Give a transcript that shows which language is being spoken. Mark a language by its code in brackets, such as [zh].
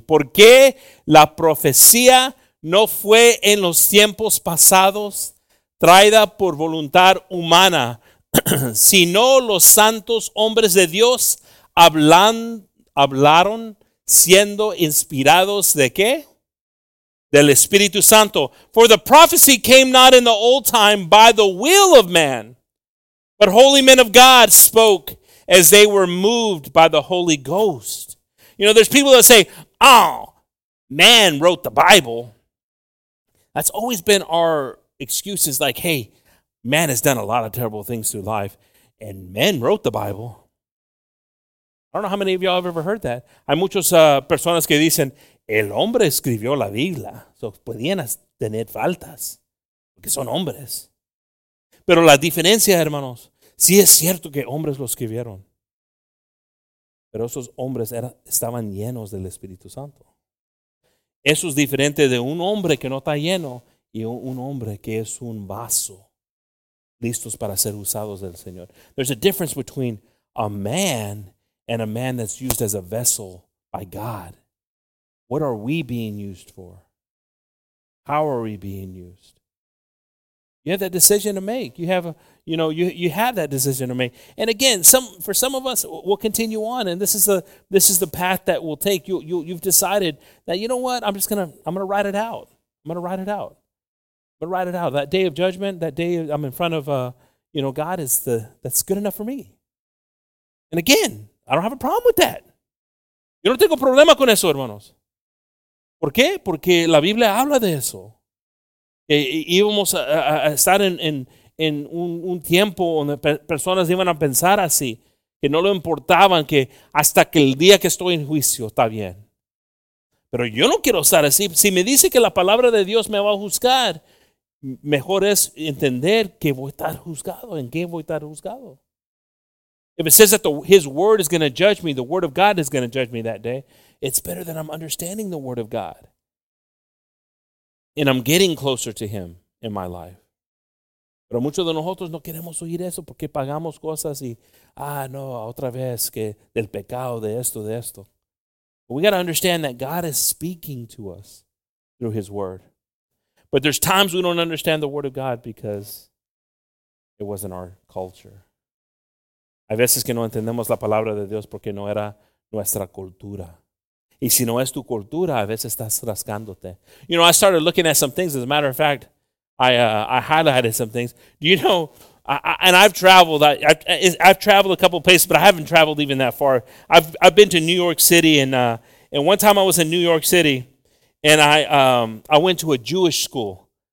[es] ¿Por qué la profecía no fue en los tiempos pasados traída por voluntad humana, sino los santos hombres de Dios hablaron siendo inspirados de qué? Del Espíritu Santo. [en] For the prophecy came not in the old time by the will of man, but holy men of God spoke as they were moved by the Holy Ghost. You know, there's people that say, oh, man wrote the Bible. That's always been our excuse, is like, hey, man has done a lot of terrible things through life, and men wrote the Bible. I don't know how many of y'all have ever heard that. [es] Hay muchas personas que dicen, el hombre escribió la Biblia. So, podían tener faltas, porque son hombres. Pero la diferencia, hermanos, sí es cierto que hombres lo escribieron. Pero esos hombres estaban llenos del Espíritu Santo. Eso es diferente de un hombre que no está lleno y un hombre que es un vaso, listos para ser usados del Señor. [en] There's a difference between a man and a man that's used as a vessel by God. What are we being used for? How are we being used? You have that decision to make. You have a, you know, you have that decision to make. And again, for some of us, we'll continue on, and this is the path that we'll take. You've decided that, you know what, I'm gonna write it out. I'm gonna write it out. That day of judgment, that day I'm in front of God that's good enough for me. And again, I don't have a problem with that. [es] Yo no tengo problema con eso, hermanos. ¿Por qué? Porque la Biblia habla de eso. Que íbamos a estar en un tiempo donde personas iban a pensar así, que no lo importaban, que hasta que el día que estoy en juicio está bien. Pero yo no quiero estar así. Si me dice que la palabra de Dios me va a juzgar, mejor es entender que voy a estar juzgado. ¿En qué voy a estar juzgado? [en] If it says that his word is going to judge me, the word of God is going to judge me that day, it's better that I'm understanding the word of God. And I'm getting closer to him in my life. [es] Pero muchos de nosotros no queremos oír eso porque pagamos cosas y, no, otra vez, que del pecado, de esto. [en] But we got to understand that God is speaking to us through his word. But there's times we don't understand the word of God because it wasn't our culture. [es] Hay veces que no entendemos la palabra de Dios porque no era nuestra cultura. Y si no es tu cultura, a veces estás rascándote. [en] You know, I started looking at some things. As a matter of fact, I highlighted some things. You know, I've traveled a couple places, but I haven't traveled even that far. I've been to New York City, and one time I was in New York City, and I went to a Jewish school.